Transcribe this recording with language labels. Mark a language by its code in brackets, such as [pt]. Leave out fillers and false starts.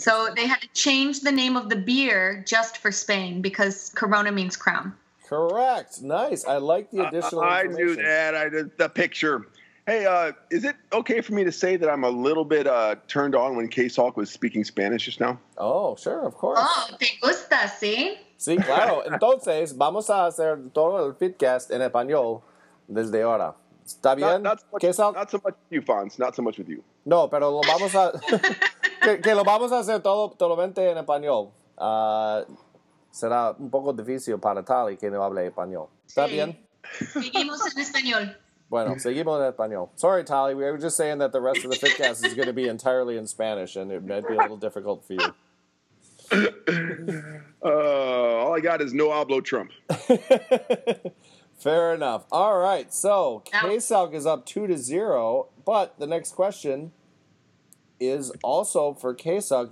[en] So they had to change the name of the beer just for Spain, because Corona means crown. Correct. Nice. I like the additional information. I knew that. I did the picture. Hey, is it okay for me to say that I'm a little bit turned on when K-Salk was speaking Spanish just now? Oh, sure. Of course. [es] Oh, te gusta, ¿sí? Sí, claro. Entonces, vamos a hacer todo el podcast en español desde ahora. ¿Está bien? [en] Not so much with you, Fonz. Not so much with you. [es] No, pero lo vamos a... que lo vamos a hacer totalmente en español. Será un poco difícil para Tali que no hable español. ¿Está bien? Seguimos en español. Bueno, seguimos en español. Sorry, Tali. [en] We were just saying that the rest of the FitCast is going to be entirely in Spanish, and it might be a little difficult for you. All I got is [es] no hablo Trump. [en] Fair enough. All right. So, K-Salk is up 2-0, but the next question is also for K-Salk.